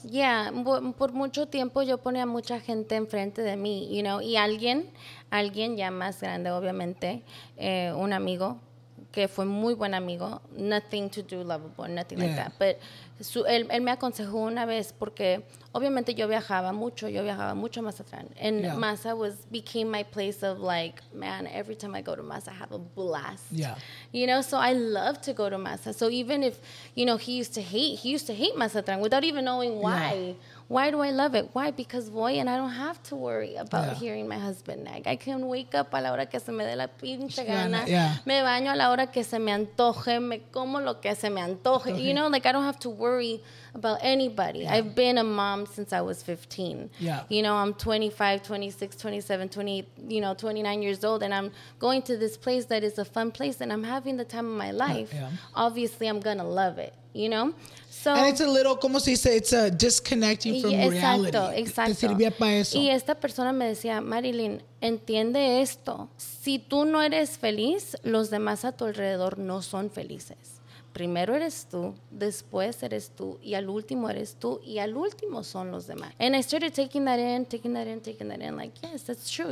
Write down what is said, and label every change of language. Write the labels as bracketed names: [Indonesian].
[Spanish] Yeah, por mucho tiempo yo ponía mucha gente enfrente de mí, you know, y alguien ya más grande, obviamente, un amigo que fue muy buen amigo, [English] nothing to do lovable, nothing like that, [Spanish] but él me aconsejó una vez porque obviamente yo viajaba mucho a Mazatlán, [English] and Maza became my place of, like, man, every time I go to Maza, I have a blast. Yeah, you know, so I love to go to Maza. So even if, you know, he used to hate Mazatlán without even knowing why. Yeah. Why do I love it? Why? Because voy and I don't have to worry about hearing my husband nag. I can wake up [Spanish] a la hora que se me dé la pinche gana. [English] Yeah. [Spanish] Me baño a la hora que se me antoje. Me como lo que se me antoje. [English] Okay. You know, like, I don't have to worry about anybody. Yeah. I've been a mom since I was 15. Yeah. You know, I'm 25, 26, 27, 28, you know, 29 years old, and I'm going to this place that is a fun place, and I'm having the time of my life. Yeah. Obviously, I'm going to love it, you know? So, and it's a little, [Spanish] como se dice, [English] it's a disconnecting from [Spanish] exacto, [English] reality. [Spanish] Exacto. Te sirvía para eso. Y esta persona me decía, Marilyn, entiende esto. Si tú no eres feliz, los demás a tu alrededor no son felices. Primero eres tú, después eres tú, y al último eres tú, y al último son los demás. [English] And I started taking that in, like, yes, that's true.